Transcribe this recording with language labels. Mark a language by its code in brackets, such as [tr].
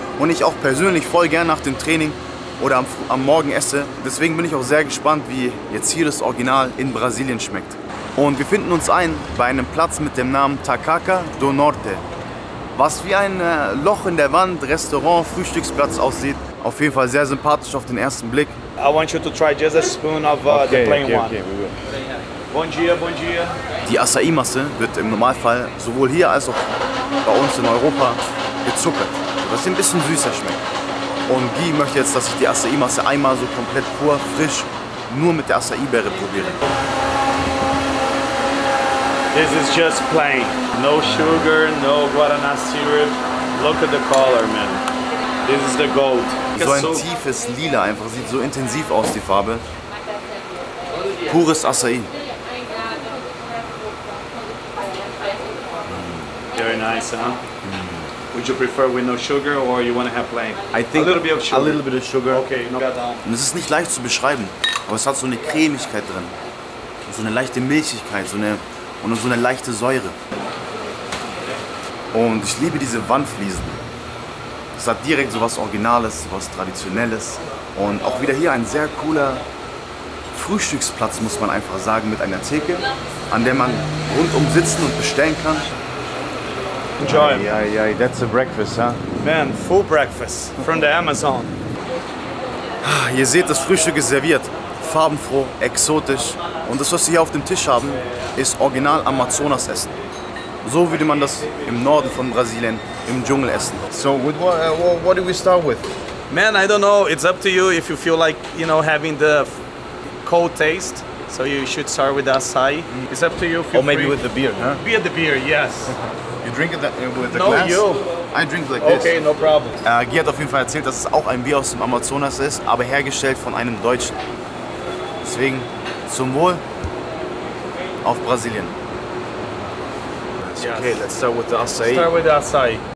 [de] Und ich auch persönlich voll gern nach dem Training oder am Morgen esse. Deswegen bin ich auch sehr gespannt, wie jetzt hier das Original in Brasilien schmeckt. Und wir finden uns ein bei einem Platz mit dem Namen Tacacá do Norte. Was wie ein Loch in der Wand, Restaurant, Frühstücksplatz aussieht. Auf jeden Fall sehr sympathisch auf den ersten Blick. [en] I want you to try just a spoon of the plain one. Okay, we will. [pt] Bon dia, bon dia. [de] Die Açaí-Masse wird im Normalfall sowohl hier als auch bei uns in Europa gezuckert, sodass sie ein bisschen süßer schmeckt. Und Guy möchte jetzt, dass ich die Açaí-Masse einmal so komplett pur, frisch, nur mit der Açaí-Beere probiere. [en] This is just plain. No sugar, no guarana syrup. Look at the color, man. This is the gold. [de] So ein tiefes Lila einfach, sieht so intensiv aus, die Farbe. Pures Açaí. [en] Very nice, huh? Mm. Would you prefer with no sugar or you want to have plain? I think a little bit of sugar. A little bit of sugar. Okay, no problem. [de] Es ist nicht leicht zu beschreiben, aber es hat so eine Cremigkeit drin. So eine leichte Milchigkeit, und so eine leichte Säure. Und ich liebe diese Wandfliesen. Es hat direkt so was Originales, was Traditionelles. Und auch wieder hier ein sehr cooler Frühstücksplatz, muss man einfach sagen, mit einer Theke, an der man rundum sitzen und bestellen kann. [en] Enjoy. Yeah, yeah, that's a breakfast, huh? Man, full breakfast from the Amazon. [de] Ihr seht, das Frühstück ist serviert. Farbenfroh, exotisch. Und das, was wir hier auf dem Tisch haben, ist original Amazonas-Essen. So würde man das im Norden von Brasilien im Dschungel essen. [en] So, with what do we start with? Man, I don't know. It's up to you if you feel like, you know, having the cold taste. So you should start with açaí. It's up to you. Or maybe with the beer, huh? Beer, the beer, yes. You drink it with the no, glass? No, you. I drink like this. Okay, no problem. [de] Guy hat auf jeden Fall erzählt, dass es auch ein Bier aus dem Amazonas ist, aber hergestellt von einem Deutschen. Deswegen zum Wohl auf Brasilien. [en] Yes. Okay, let's start with the açaí. Start with the açaí.